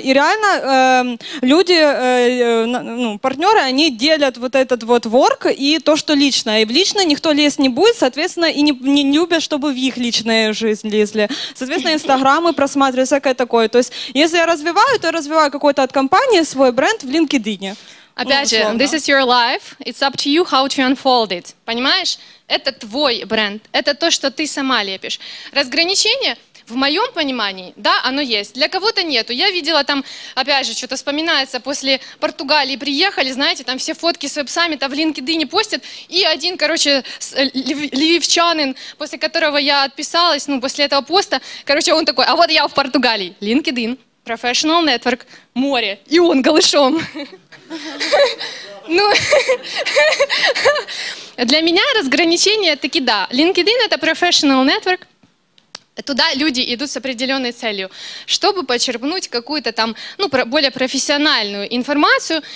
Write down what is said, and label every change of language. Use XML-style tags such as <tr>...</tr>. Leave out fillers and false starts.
<ru>И реально люди, ну, партнеры, они делят вот этот вот work и то, что личное. И в личное никто лезть не будет, соответственно, и не любят, чтобы в их личную жизнь лезли. Соответственно, Instagram просматривают, всякое такое. То есть есть. Если я развиваю, то я развиваю какой-то от компании свой бренд в LinkedIn. Опять же,</ru> <en>this is your life, it's up to you how to unfold it.</en> <ru>Понимаешь? Это твой бренд, это то, что ты сама лепишь. Разграничение, в моем понимании, да, оно есть. Для кого-то нету. Я видела там, опять же, что-то вспоминается, после Португалии приехали, знаете, там все фотки с веб-саммита в LinkedIn не постят. И один, короче, львивчанин, после которого я отписалась, ну, после этого поста, короче, он такой, а вот я в Португалии.</ru> <en>LinkedIn, professional network,</en> <ru>море. И он голышом. Ну, для меня разграничение таки да.</ru> <en>LinkedIn это professional network.</en> <ru>Туда люди идут с определенной целью, чтобы почерпнуть какую-то там, ну, более профессиональную информацию.</ru>